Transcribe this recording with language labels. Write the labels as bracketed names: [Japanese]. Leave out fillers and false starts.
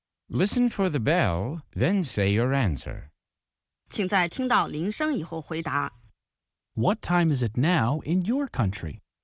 [English] Listen for the bell, then say your answer. [Chinese] 请在听到铃声以后回答。 [English] What time is it now in your country?